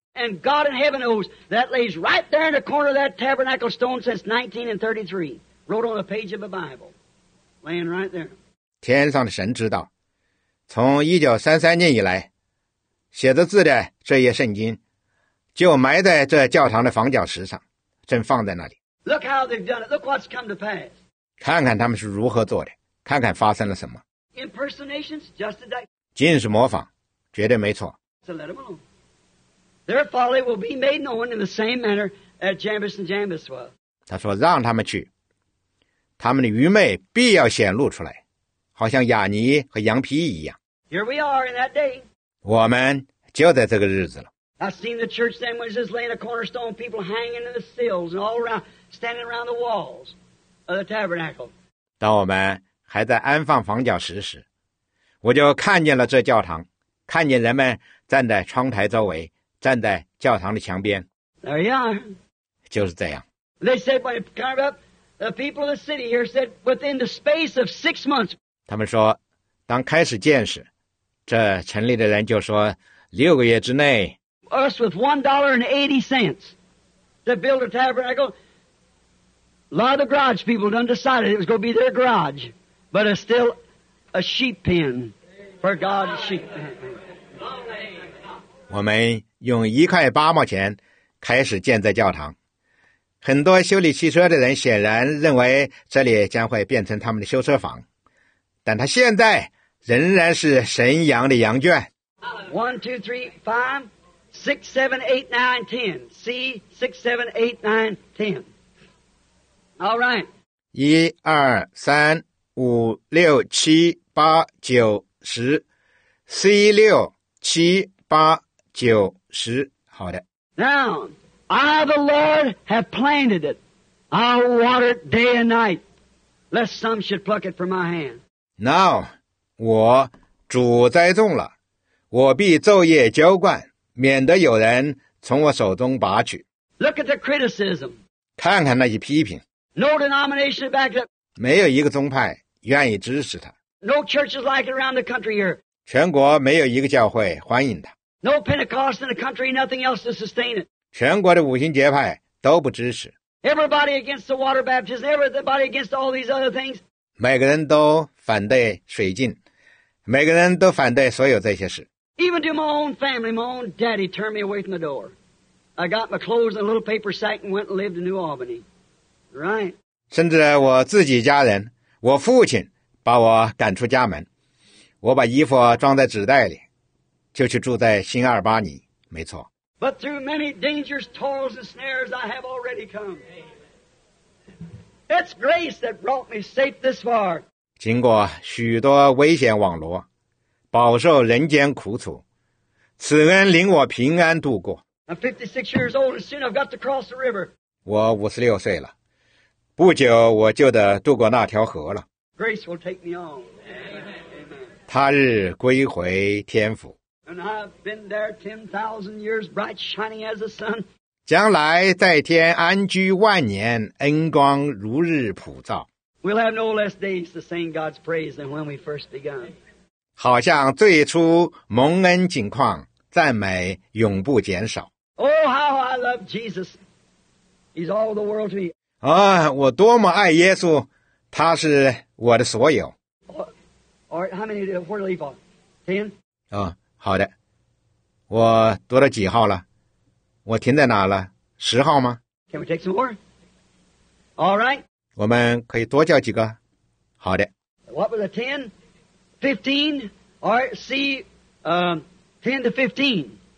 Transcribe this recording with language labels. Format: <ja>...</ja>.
<en>？And God in heaven knows that lays right there in the corner of that tabernacle stone since 1933, wrote on a page of a Bible, laying right there.</en> <zh>天上的神知道，从1933年以来，写着字的这页圣经。就埋在这教堂的房角石上，正放在那里。</zh> <en>Look how they've done it. Look what's come to pass.</en> <zh>看看他们是如何做的，看看发生了什么。</zh> <en>Impersonations, just a day.</en> <zh>尽是模仿，绝对没错。</zh> <en>So let them alone. Their folly will be made known in the same manner as Jambres and Jambres was.</en> <zh>他说：“让他们去，他们的愚昧必要显露出来，好像亚尼和羊皮一样。”</zh> <en>Here we are in that day.</en> <zh>我们就在这个日子了。</zh> <en>I've seen the church sandwiches laying a cornerstone, people hanging in the sills and all around, standing around the walls of the tabernacle.</en> <zh>当我们还在安放房角石时，我就看见了这教堂，看见人们站在窗台周围，站在教堂的墙边。</zh> <en>There you are.</en> <zh>就是这样。</zh> <en>They said when it came up, the people of the city here said within the space of 6 months.</en> <zh>他们说，当开始建时，这城里的人就说，六个月之内。</zh> <en>Us with $1.80 to build a tabernacle. A lot of the garage people had undecided it was going to be their garage, but it's still a sheep pen for God's sheep.</en> <zh>我们用1.8块开始建这教堂。很多修理汽车的人显然认为这里将会变成他们的修车房，但他现在仍然是神羊的羊圈。</zh> <en>1, 2, 3, 5. 6, 7, 8, 9, 10. See, 6, 7, 8, 9, 10. All right. 1, 2, 3, 5, 6, 7, 8, 9, 10. C6, 7, 8, 9, 10.</en> <zh>好的。</zh> <en>Now, I, the Lord, have planted it. I water it day and night, lest some should pluck it from my hand. Now,</en> <zh>我主栽种了，我必昼夜浇灌。免得有人从我手中拔取。</zh> <en>Look at the criticism.</en> <zh>看看那些批评。</zh> <en>No denomination backs up.</en> <zh>没有一个宗派愿意支持他。</zh> <en>No churches like it around the country here.</en> <zh>全国没有一个教会欢迎他。</zh> <en>No Pentecost in the country, nothing else to sustain it.</en> <zh>全国的五旬节派都不支持。</zh> <en>Everybody against the water baptism. Everybody against all these other things.</en> <zh>每个人都反对水浸，每个人都反对所有这些事。</zh> <en>Even to my own family, my own daddy turned me away from the door. I got my clothes in a little paper sack and went and lived in New Albany. Right.</en> <zh>甚至我自己家人，我父亲把我赶出家门。我把衣服装在纸袋里，就去住在新阿尔巴尼。没错。</zh> <en>But through many dangers, toils, and snares, I have already come. It's grace that brought me safe this far.</en> <zh>经过许多危险网罗。饱受人间苦楚，此恩领我平安度过。</zh> <en>I'm 56 years old, and soon I've got to cross the river.</en> <zh>我56岁了，不久我就得渡过那条河了。</zh> <en>Grace will take me on.</en> <zh>他日归回天父。</zh> <en>And I've been there 10,000 years, bright shining as the sun.</en> <zh>将来在天安居万年，恩光如日普照。</zh> <en>We'll have no less days to sing God's praise than when we first begun.</en> <zh>好像最初蒙恩景况，赞美永不减少。</zh> <en>Oh, how I love Jesus! He's all the world to me.</en> <zh>啊，我多么爱耶稣，他是我的所有。</zh> <en>All right, how many did we leave on? 10?</en> <zh>啊，好的。我读到几号了？我停在哪了？十号吗</zh> <en>？Can we take some more? All right.</en> <zh>我们可以多叫几个。好的。</zh> <en>What was the 10? 15? All right, see, 10 to 15.</en>